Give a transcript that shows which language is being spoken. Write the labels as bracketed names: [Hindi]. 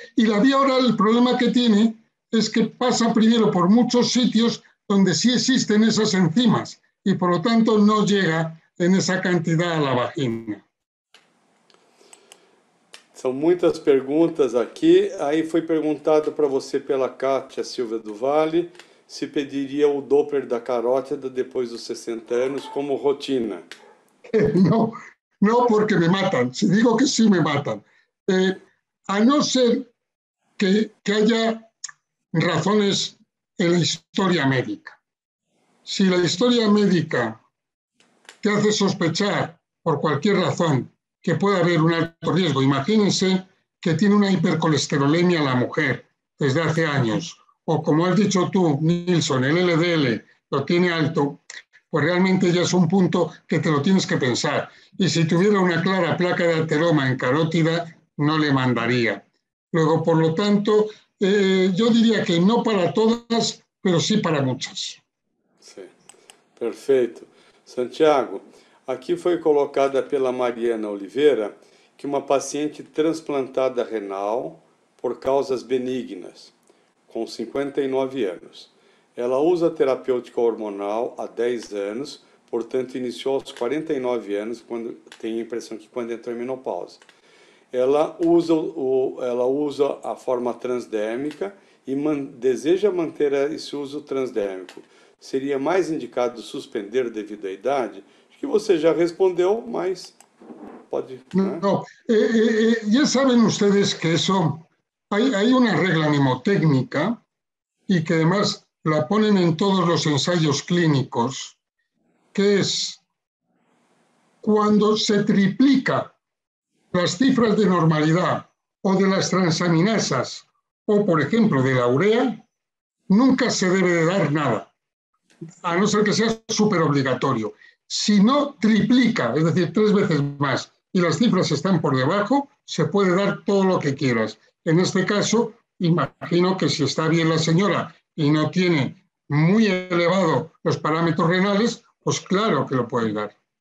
[Spanish] Y la vía oral, el problema que tiene es que pasa primero por muchos sitios donde sí existen esas enzimas. [Portuguese] E, [Spanish] por lo tanto, [Portuguese] não chega nessa quantidade à vagina. São muitas perguntas aqui. Aí foi perguntado para você pela Kátia Silva do Vale se pediria o Doppler da carótida depois dos 60 anos como rotina. Não, porque me matam. Se digo que sim, me matam. A não ser que haja razões na história médica. [Spanish] Si la historia médica te hace sospechar, por cualquier razón, que pueda haber un alto riesgo, imagínense que tiene una hipercolesterolemia la mujer desde hace años, o como has dicho tú, Nilsson, el LDL lo tiene alto, pues realmente ya es un punto que te lo tienes que pensar. Y si tuviera una clara placa de ateroma en carótida, no le mandaría. Luego, por lo tanto, yo diría que no para todas, pero sí para muchas. [Portuguese] Perfeito. Santiago, aqui foi colocada pela Mariana Oliveira que uma paciente transplantada renal por causas benignas, com 59 anos. Ela usa terapêutica hormonal há 10 anos, portanto iniciou aos 49 anos, quando tem a impressão que quando entrou em menopausa. Ela usa a forma transdérmica e deseja manter esse uso transdérmico. Seria mais indicado suspender devido à idade? Acho que você já respondeu, mas pode... Não, já sabem vocês que isso... Há uma regra mnemotécnica e que, además, [Spanish] la ponen [Portuguese] em todos os ensaios clínicos, que é quando se triplica as cifras de normalidade ou [Spanish] de las transaminasas [Portuguese] ou, por exemplo, [Spanish] de la urea, [Portuguese] nunca se deve de dar nada. [Spanish] A no ser que sea súper obligatorio. Si no triplica, es decir, tres veces más, y las cifras están por debajo, se puede dar todo lo que quieras. En este caso, imagino que si está bien la señora y no tiene muy elevado los parámetros renales, pues claro que lo puede dar.